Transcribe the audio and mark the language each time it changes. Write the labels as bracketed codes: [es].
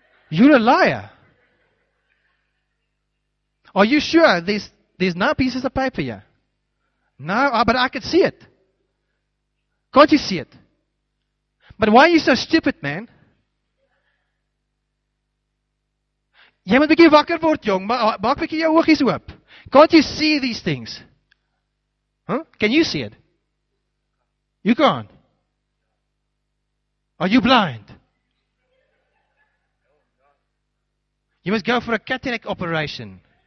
[en] You're a liar. Are you sure there's no pieces of paper here? No, but I could see it. Can't you see it? But why are you so stupid, man? [af] Jy moet 'n bietjie wakker word, jong. Maak 'n bietjie jou oogies oop. [en] Can't you see these things? Huh? Can you see it? You can't. Are you blind? You must go for a cataract operation.